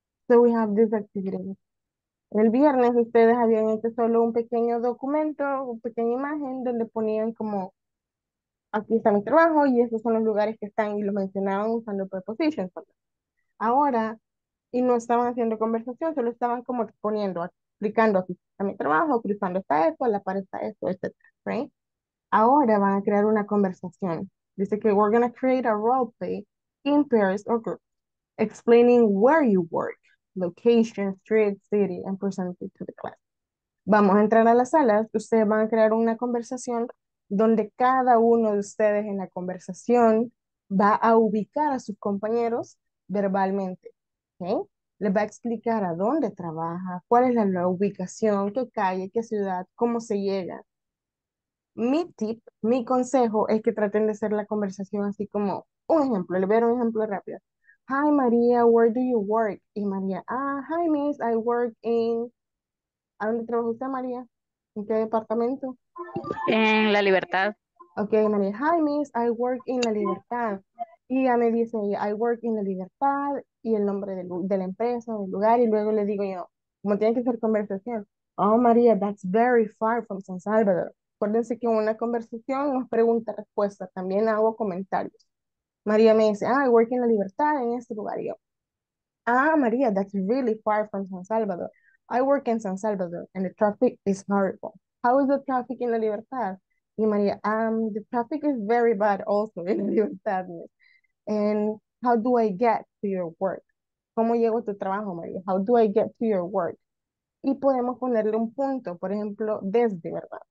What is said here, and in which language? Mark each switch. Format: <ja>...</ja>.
<en>So we have this activity.</en> <es>El viernes ustedes habían hecho solo un pequeño documento, una pequeña imagen donde ponían como, aquí está mi trabajo y esos son los lugares que están y lo mencionaban usando prepositions. Ahora, y no estaban haciendo conversación, solo estaban como exponiendo, explicando aquí está mi trabajo, cruzando está esto, la pared está esto, etc. Right? Ahora van a crear una conversación. Dice que</es> <en>we're going to create a roleplay in pairs or groups, explaining where you work, location, street, city, and present it to the class.</en> <es>Vamos a entrar a las salas. Ustedes van a crear una conversación donde cada uno de ustedes en la conversación va a ubicar a sus compañeros verbalmente. ¿Okay? Les va a explicar a dónde trabaja, cuál es la ubicación, qué calle, qué ciudad, cómo se llega. Mi tip, mi consejo es que traten de hacer la conversación así como un ejemplo. Les voy a dar un ejemplo rápido.</es> <en>Hi María, where do you work? Y María, hi Miss, I work in.</en> <es>¿A dónde trabaja usted, María? ¿En qué departamento? En la libertad.</es> <en>Ok, María, hi Miss, I work in la libertad.</en> <es>Y ya me dice,</es> <en>I work in la libertad</en> <es>y el nombre de la empresa, del lugar. Y luego le digo yo, como tiene que ser conversación.</es> <en>Oh María, that's very far from San Salvador.</en> <es>Acuérdense que en una conversación no es pregunta-respuesta, también hago comentarios. María me dice,</es> <en>I work in la libertad</en> <es>en este lugar. Y yo, María,</es> <en>that's really far from San Salvador. I work in San Salvador and the traffic is horrible. How is the traffic in la libertad? Y María, the traffic is very bad also in la libertad. And how do I get to your work?</en> <es>¿Cómo llego a tu trabajo, María?</es> <en>How do I get to your work?</en> <es>Y podemos ponerle un punto, por ejemplo, desde, ¿verdad?</es>